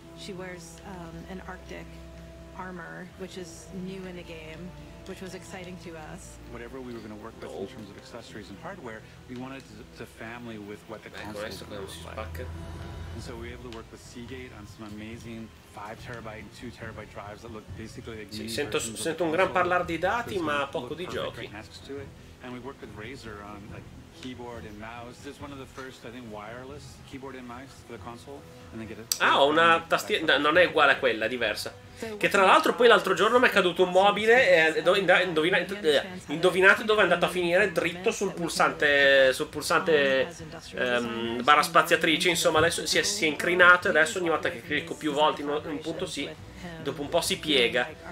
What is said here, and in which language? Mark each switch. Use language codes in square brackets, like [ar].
[en] She wears an Arctic armor, which is new in the game, which was exciting to us. Whatever we were going to work with in terms of accessories and hardware, we wanted to family with what the console is going to look like. And so we were able to work with Seagate on some amazing 5 terabyte and 2 terabyte drives that look basically like. [it] Sì, sento un gran parlare di dati, ma poco di giochi. [en] And we worked with Razer on like keyboard and mouse. This is one of the first, I think, wireless keyboard and mice for the console. And then get it. [it] Ah, ho una tastiera, non è uguale a quella, è diversa. Che tra l'altro poi l'altro giorno mi è caduto un mobile e indovinate dove è andato a finire? Dritto sul pulsante barra spaziatrice, insomma, adesso si è incrinato e adesso ogni volta che clicco più volte in un punto sì, dopo un po' si piega.